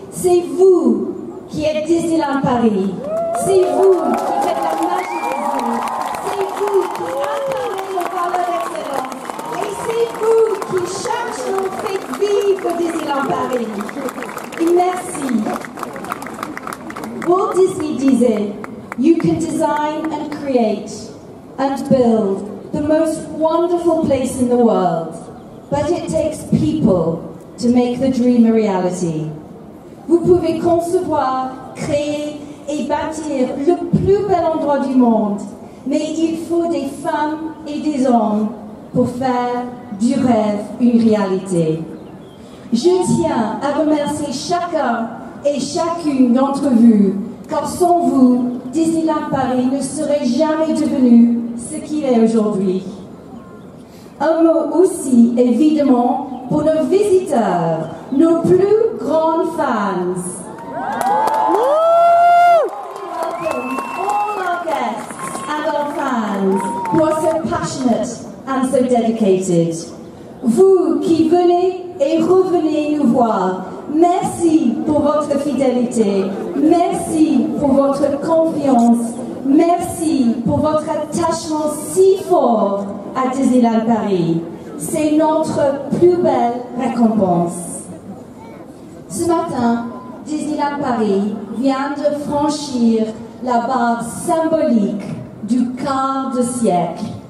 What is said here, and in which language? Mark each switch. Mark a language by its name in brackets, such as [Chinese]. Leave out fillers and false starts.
[French] C'est vous qui êtes Disneyland Paris. C'est vous qui faites la magie de vous. C'est vous qui incarnez nos valeurs d'excellence. Et c'est vous qui cherchez et faites vivre Disneyland Paris. Et merci. Walt Disney disait, [English] you can design and create and build the most wonderful place in the world. But it takes people to make the dream a reality. [French] Vous pouvez concevoir, créer et bâtir le plus bel endroit du monde, mais il faut des femmes et des hommes pour faire du rêve une réalité. Je tiens à remercier chacun et chacune d'entre vous, car sans vous, Disneyland Paris ne serait jamais devenu ce qu'il est aujourd'hui. Un mot aussi, évidemment, pour nos visiteurs, nos plus grands fans. [English] Welcome all our guests and our fans who are so passionate and so dedicated. [French] Vous qui venez et revenez nous voir, merci pour votre fidélité, merci pour votre confiance, merci pour votre attachement si fort à Disneyland Paris. C'est notre plus belle récompense. Ce matin, Disneyland Paris vient de franchir la barre symbolique du quart de siècle.